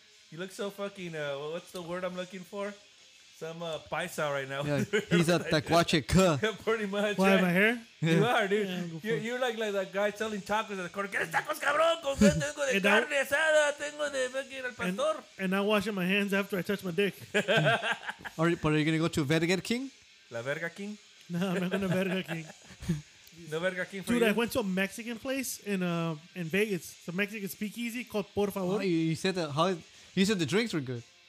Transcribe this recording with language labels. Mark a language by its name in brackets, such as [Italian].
[English] You look so fucking, what's the word I'm looking for? Some paisa right now. Yeah, he's a tacuache cuh. Pretty much. Why, right? Am I here? You are, dude. Yeah, you're like that guy selling tacos at the corner. [Spanish] ¿Quieres tacos, cabrón? Con que tengo de carne asada, tengo de [English] fucking [Spanish] al pastor. [English] And I'm washing my hands after I touch my dick. are you going to go to Verger King? [Spanish] La Verga King? [English] No, I'm not going to Verga King. No Verga King for dude, you? Dude, I went to a Mexican place in Vegas. It's a Mexican speakeasy called Por Favor. Oh, you said that. You said the drinks were good.